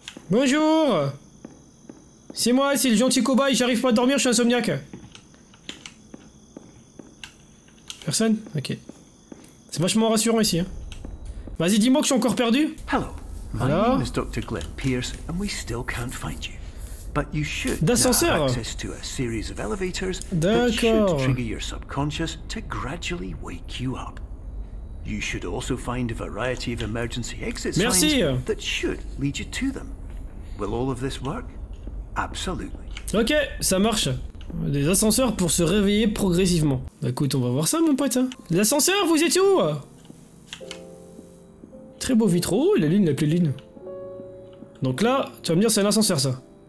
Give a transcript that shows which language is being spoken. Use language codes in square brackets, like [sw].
[fr] Bonjour! C'est moi, c'est le gentil cobaye, j'arrive pas à dormir, je suis insomniaque. Personne? Ok. C'est vachement rassurant ici. Hein. Vas-y, dis-moi que je suis encore perdu! [en] Hello! My name is Dr. Glenn Pierce, and we still can't find you. But you should have access to a series of elevators that should trigger your subconscious to gradually wake you up. You should also find a variety of emergency exit signs that should lead you to them. Will all of this work? Absolutely. [fr] Ok, ça marche. Des ascenseurs pour se réveiller progressivement. Bah écoute, on va voir ça, mon pote. L'ascenseur, vous étiez où? Très beau vitreau, oh, la lune, la pleine lune. Donc là, tu vas me dire, c'est un ascenseur, ça.